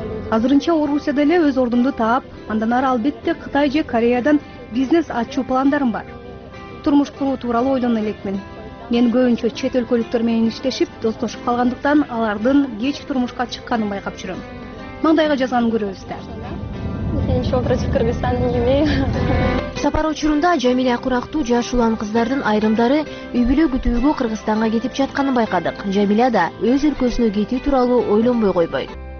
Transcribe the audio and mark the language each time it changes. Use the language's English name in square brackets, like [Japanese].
[Kyrgyz] Азырынча Орусияда эле өз ордумду таап, андан ары албетте Кытай же Кореядан бизнес ачуу пландарым бар. Турмуш куруу тууралуу ойлоно элекмин. Мен көбүнчө чет өлкөлүктөр менен иштешип, достошуп калгандыктан алардын кеч турмушка чыкканын байкап жүрөм. Маңдайга жазганын көрөбүз да. [Russian] Ничего против Кыргызстана не имею. [Kyrgyz] Сапар учурунда Жамиля курактуу жаш улан кыздардын айрымдары үй бүлө күтүүгө Кыргызстанга кетип жатканын байкадык. Жамиля да өз өлкөсүнө кетүү тууралуу ойлонбой койбойт.